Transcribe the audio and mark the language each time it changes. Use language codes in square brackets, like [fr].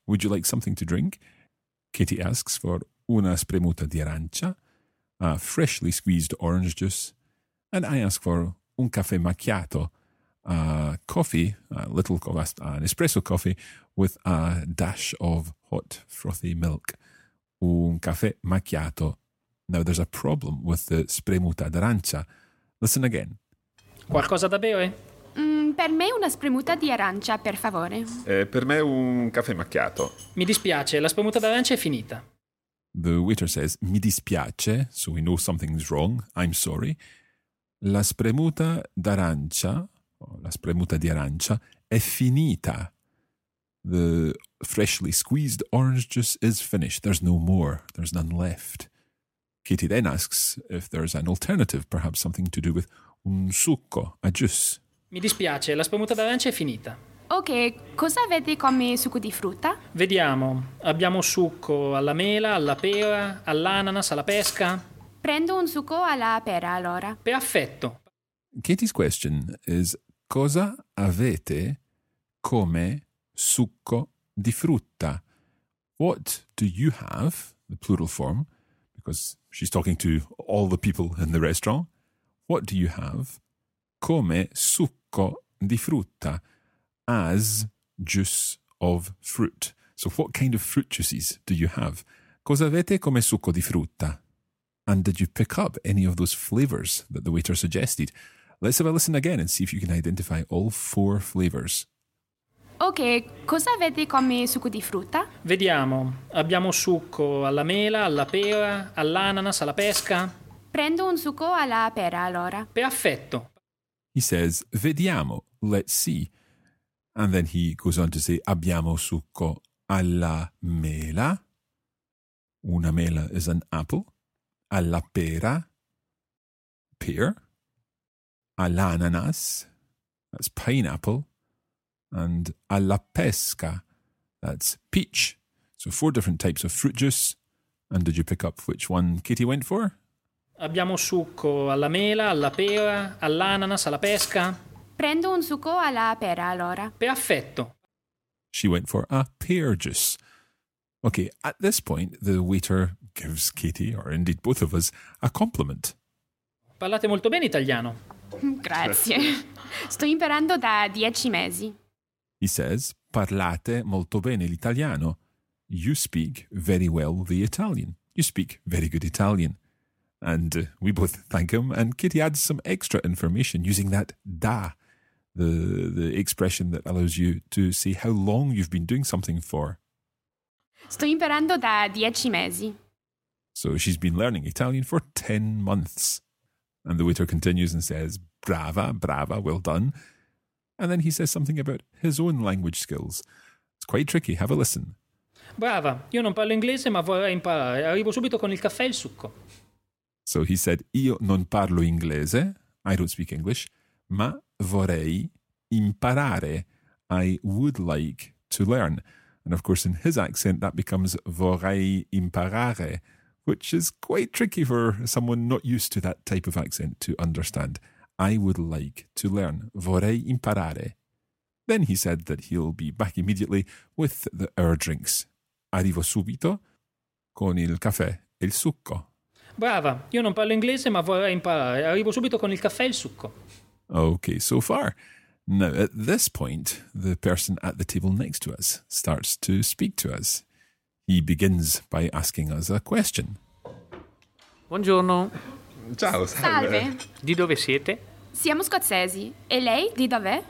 [en] Would you like something to drink? Katie asks for [it] una spremuta di arancia, [en] a freshly squeezed orange juice, and I ask for [it] un caffè macchiato, [en] a coffee, a little coffee, an espresso coffee with a dash of hot frothy milk. [it] Un caffè macchiato. [en] Now there's a problem with the [it] spremuta d'arancia. [en] Listen again. [it] Qualcosa da bere? Per me una spremuta di arancia, per favore. Per me un caffè macchiato. Mi dispiace, la spremuta d'arancia è finita. [en] The waiter says, [it] mi dispiace, [en] so we know something's wrong, I'm sorry. [it] La spremuta d'arancia, la spremuta di arancia, è finita. [en] The freshly squeezed orange juice is finished. There's no more. There's none left. Katie then asks if there's an alternative, perhaps something to do with [it] un succo, [en] a juice. [it] Mi dispiace, la spremuta d'arancia è finita. Ok, cosa avete come succo di frutta? Vediamo, abbiamo succo alla mela, alla pera, all'ananas, alla pesca. Prendo un succo alla pera, allora. Perfetto. [en] Katie's question is, [it] cosa avete come succo di frutta? [en] What do you have, the plural form, because she's talking to all the people in the restaurant. What do you have [it] come succo di frutta, [en] as juice of fruit? So what kind of fruit juices do you have? [it] Cosa avete come succo di frutta? [en] And did you pick up any of those flavours that the waiter suggested? Let's have a listen again and see if you can identify all four flavours. [it] Ok, cosa avete come succo di frutta? Vediamo, abbiamo succo alla mela, alla pera, all'ananas, alla pesca. Prendo un succo alla pera, allora. Perfetto. [en] He says, [it] vediamo, [en] let's see. And then he goes on to say, [it] abbiamo succo alla mela. Una mela [en] is an apple. [it] Alla pera, [en] pear. [it] All'ananas, [en] that's pineapple. And [it] alla pesca, [en] that's peach. So four different types of fruit juice. And did you pick up which one Katie went for? [it] Abbiamo succo alla mela, alla pera, all'ananas, alla pesca. Prendo un succo alla pera, allora. Perfetto. [en] She went for a pear juice. Okay, at this point, the waiter gives Katie, or indeed both of us, a compliment. [it] Parlate molto bene italiano. Grazie. Sto imperando da 10 mesi. [en] He says, [it] parlate molto bene l'italiano. [en] You speak very well the Italian. You speak very good Italian. And we both thank him, and Katie adds some extra information using that da, the expression that allows you to see how long you've been doing something for. [it] Sto imperando da 10 mesi. [en] So she's been learning Italian for 10 months. And the waiter continues and says, [it] brava, brava, [en] well done. And then he says something about his own language skills. It's quite tricky. Have a listen. [it] Brava, io non parlo inglese, ma vorrei imparare. Arrivo subito con il caffè e il succo. [en] So he said, [it] io non parlo inglese, [en] I don't speak English, [it] ma vorrei imparare, [en] I would like to learn. And of course, in his accent, that becomes [it] vorrei imparare, [en] which is quite tricky for someone not used to that type of accent to understand. I would like to learn. [it] Vorrei imparare. [en] Then he said that he'll be back immediately with our drinks. [it] Arrivo subito con il caffè e il succo. Brava, io non parlo inglese, ma vorrei imparare. Arrivo subito con il caffè e il succo. [en] Okay, so far. Now, at this point, the person at the table next to us starts to speak to us. He begins by asking us a question. [it] Buongiorno. Ciao, salve. Di dove siete? Siamo scozzesi. E lei, di dov'è?